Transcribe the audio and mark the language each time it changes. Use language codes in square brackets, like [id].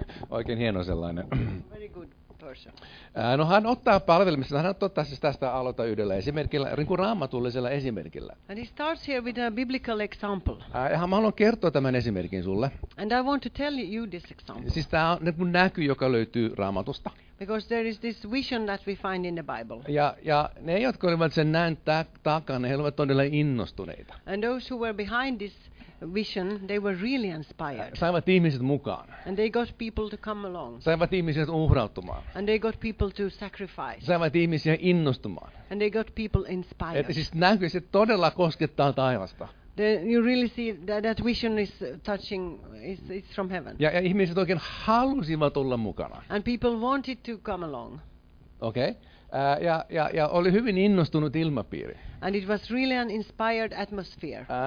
[fi] Oikein hieno sellainen. [en] Very good. [fi] No hän ottaa palvelimista, hän ottaa siis tästä aloita yhdellä esimerkillä, niin kuin raamatullisella esimerkillä. [en] And he starts here with a biblical example. [fi] Ja mä haluan kertoa tämän esimerkin sulle. [en] And I want to tell you this example. [fi] Siis tämä on niin kuin näky, joka löytyy raamatusta. [en] Because there is this vision that we find in the Bible. [fi] Ja ne, jotka olivat sen näin takana, he olivat todella innostuneita. [en] And those who were behind this vision, they were really inspired. [fi] Saivat ihmiset mukaan. [en] And they got people to come along. [fi] Saivat ihmiset uhrautumaan. [en] And they got people to sacrifice. [fi] Saivat ihmisiä innostumaan. [en] And they got people inspired. [fi] Et siis näkyy, se todella koskettaa taivasta. [en] Then you really see that that vision is touching, it's from heaven. [fi] Ja ihmiset oikein halusivat olla mukana. [en] And people wanted to come along. Okay. [fi] Ja oli hyvin innostunut ilmapiiri. [en] And it was really an inspired atmosphere.